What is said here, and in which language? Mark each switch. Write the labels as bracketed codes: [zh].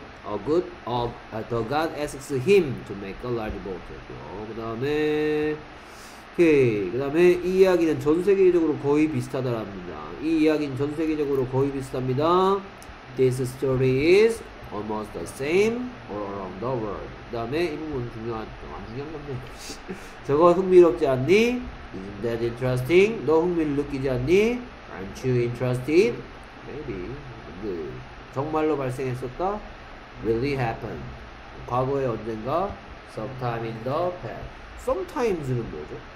[en] The God asks him to make a large boat. [ko] 그 다음에, 오케이. 그 다음에, 이 이야기는 전 세계적으로 거의 비슷하다랍니다. 이 이야기는 전 세계적으로 거의 비슷합니다. [en] This story is almost the same all around the world. [ko] 그 다음에, 이 부분 중요한, 안 중요한 건데. 저거 흥미롭지 않니? [en] Isn't that interesting? [ko] 너 흥미를 느끼지 않니? [en] Aren't you interested? Maybe. [ko] 정말로 발생했었다? [en] Really happen. [ko] 과거에 언젠가? [en] Sometime in the past. Sometimes는 뭐죠?